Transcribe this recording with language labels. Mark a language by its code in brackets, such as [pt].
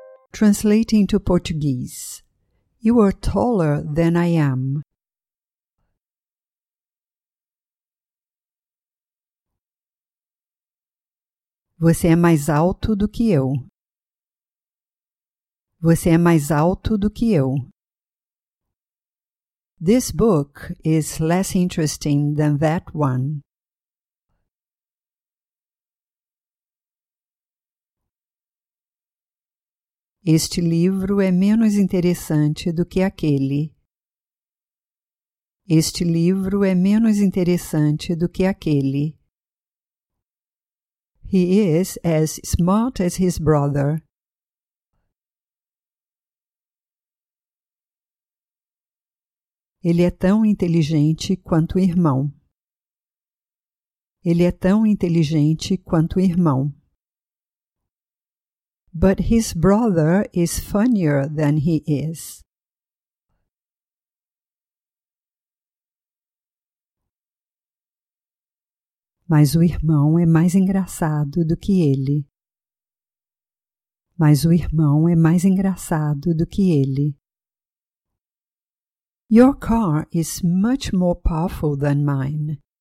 [en] Translating to Portuguese. You are taller than I am. [pt] Você é mais alto do que eu. Você é mais alto do que eu. [en] This book is less interesting than that one. [pt] Este livro é menos interessante do que aquele. Este livro é menos interessante do que aquele. [en] He is as smart as his brother. [pt] Ele é tão inteligente quanto o irmão. Ele é tão inteligente quanto o irmão. [en] But his brother is funnier than he is. [pt] Mas o irmão é mais engraçado do que ele. Mas o irmão é mais engraçado do que ele. [en] Your car is much more powerful than mine.